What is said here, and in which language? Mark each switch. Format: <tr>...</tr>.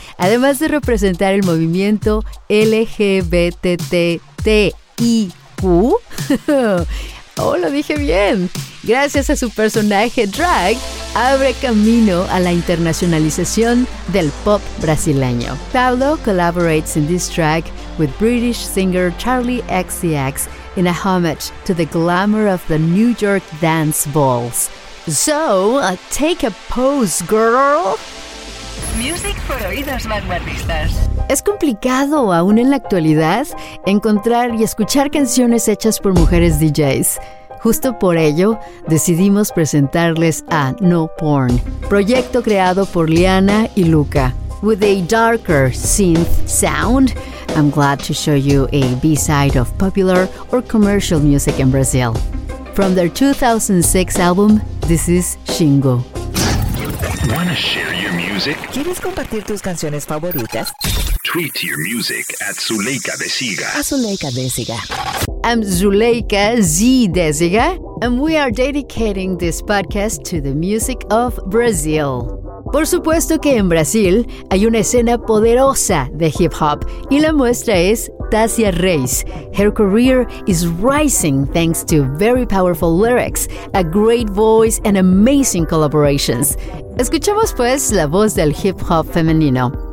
<es>Además de representar el movimiento LGBTTIQ, oh, lo dije bien, gracias a su personaje drag, abre camino a la internacionalización del pop brasileño.</es> <en>Pablo collaborates in this track with British singer Charlie XCX in a homage to the glamour of the New York dance balls. So, take a pose, girl! Music for</en> <es>oídos vanguardistas. Es complicado, aún en la actualidad, encontrar y escuchar canciones hechas por mujeres DJs. Justo por ello, decidimos presentarles a No Porn, proyecto creado por Liana y Luca.</es> <en>With a darker synth sound, I'm glad to show you a B-side of popular or commercial music in Brazil. From their 2006 album, this is Xingo. Wanna share your music?</en> <es>¿Quieres compartir tus canciones favoritas?</es> <en>Tweet your music at Zuleika de Siga.</en> <es>A Zuleika de Siga.</es> <en>I'm Zuleika Z de Siga, and we are dedicating this podcast to the music of Brazil.</en> <es>Por supuesto que en Brasil hay una escena poderosa de hip hop, y la muestra es Tássia Reis.</es> <en>Her career is rising thanks to very powerful lyrics, a great voice, and amazing collaborations.</en> <es>Escuchamos pues la voz del hip hop femenino.</es>